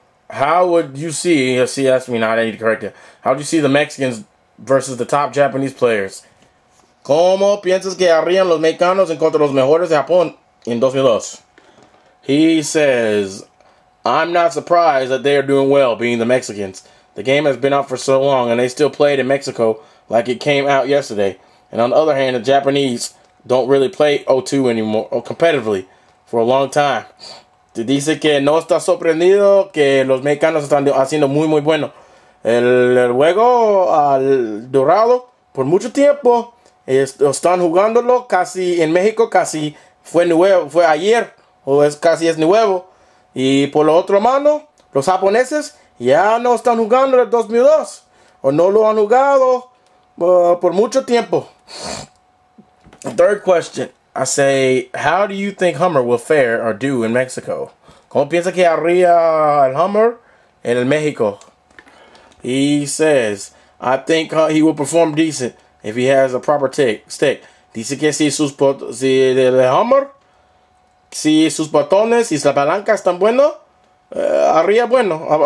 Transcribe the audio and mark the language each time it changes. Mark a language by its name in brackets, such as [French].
[English] How would you see, how do you see the Mexicans versus the top Japanese players? [Spanish] ¿Cómo piensas que harían los mexicanos en contra de los mejores de Japón en 2002? [English] He says, I'm not surprised that they are doing well, being the Mexicans. The game has been out for so long, and they still played in Mexico like it came out yesterday. And on the other hand, the Japanese don't really play O2 anymore, or competitively, for a long time. [Spanish] Te dice que no está sorprendido que los mexicanos están haciendo muy, muy bueno. El juego al Dorado, por mucho tiempo, están jugándolo casi en México, casi fue nuevo, fue ayer, o es casi es nuevo. Y por la otra mano, los japoneses ya no están jugando el 2002, o no lo han jugado por mucho tiempo. [English] Third question. I say, how do you think Hummer will fare or do in Mexico? [Spanish] ¿Cómo piensa que haría el Hummer en el México? [English] He says, I think he will perform decent if he has a proper stick. [Spanish] Dice que si sus botones y la palanca están bueno, haría bueno.